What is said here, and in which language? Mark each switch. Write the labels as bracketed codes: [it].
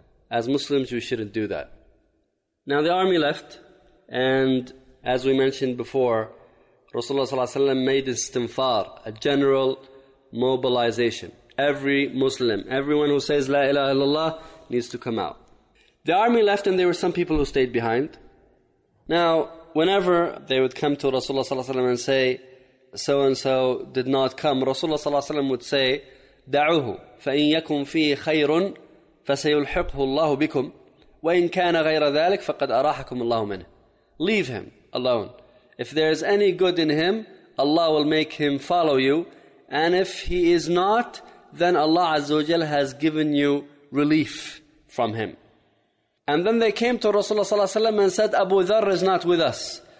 [en] As Muslims, we shouldn't do that. Now the army left, and as we mentioned before, Rasulullah ﷺ made istinfar, a general mobilization. Every Muslim, everyone who says La ilaha illallah needs to come out. The army left, and there were some people who stayed behind. Now, whenever they would come to Rasulullah ﷺ and say, so-and-so did not come, Rasulullah ﷺ would say, [ar] دَعُوهُ فَإِن يَكُمْ فِيهِ خَيْرٌ فَسَيُلْحِقْهُ اللَّهُ بِكُمْ وَإِن كَانَ غَيْرَ ذَلِكَ فَقَدْ أَرَاحَكُمُ اللَّهُ مِنْهِ. [en] Leave him alone. If there is any good in him, Allah will make him follow you. And if he is not, then Allah Azza wa Jalla has given you relief from him. And then they came to Rasulullah sallallahu alaihi wasallam and said, Abu Dharr is not with us.